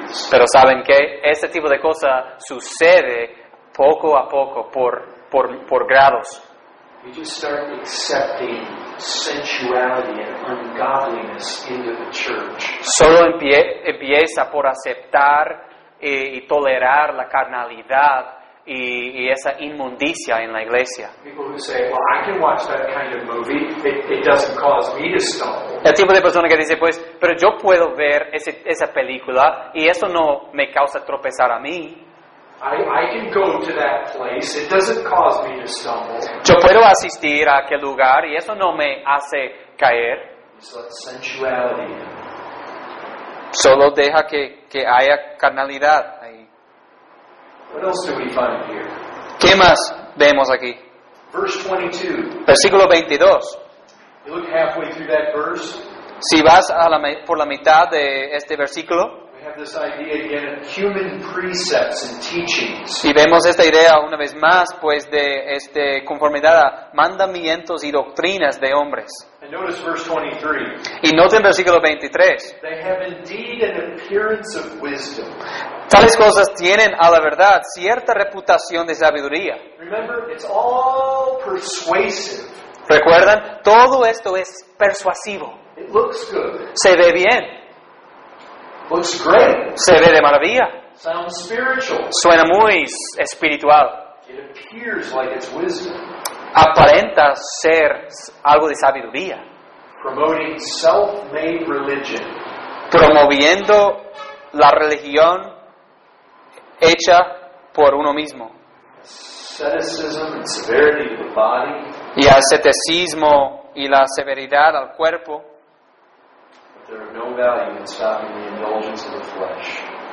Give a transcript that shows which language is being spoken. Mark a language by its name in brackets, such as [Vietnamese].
[Spanish] Pero ¿saben qué? Este tipo de cosas sucede poco a poco, por grados. [English] You just start accepting sensuality and ungodliness into the church. [Spanish] Solo empieza por aceptar y tolerar la carnalidad y esa inmundicia en la iglesia. [English] People who say, well, I can watch that kind of movie. It doesn't cause me to stumble. [Spanish] El tipo de persona que dice, pues, pero yo puedo ver esa película y eso no me causa tropezar a mí. [English] I can go to that place. It doesn't cause me to stumble. [Spanish] Yo puedo asistir a aquel lugar y eso no me hace caer. [English] Just let sensuality. [Spanish] Solo deja que haya carnalidad. [English] What else do we find here? [Spanish] ¿Qué más vemos aquí? [English] Verse 22. [Spanish] Versículo 22. [English] You look halfway through that verse. [Spanish] Si vas por la mitad de este versículo. [English] We have this idea again of human precepts and teachings. [Spanish] Y vemos esta idea una vez más, pues, de conformidad a mandamientos y doctrinas de hombres. [English] And notice verse 23. [Spanish] Y noten versículo 23. [English] They have indeed an appearance of wisdom. [Spanish] Tales cosas tienen, a la verdad, cierta reputación de sabiduría. [English] Remember, it's all persuasive. [Spanish] ¿Recuerdan? Todo esto es persuasivo. [English] It looks good. [Spanish] Se ve bien. [English] Looks great. [Spanish] Se ve de maravilla. [English] Sounds spiritual. [Spanish] Suena muy espiritual. [English] It appears like it's wisdom. [Spanish] Aparenta ser algo de sabiduría. [English] Promoting self-made religion. [Spanish] Promoviendo la religión hecha por uno mismo. [English] Asceticism and severity of the body. [Spanish] y asceticismo y la severidad al cuerpo. [English] There are no value in stopping the indulgence of the flesh.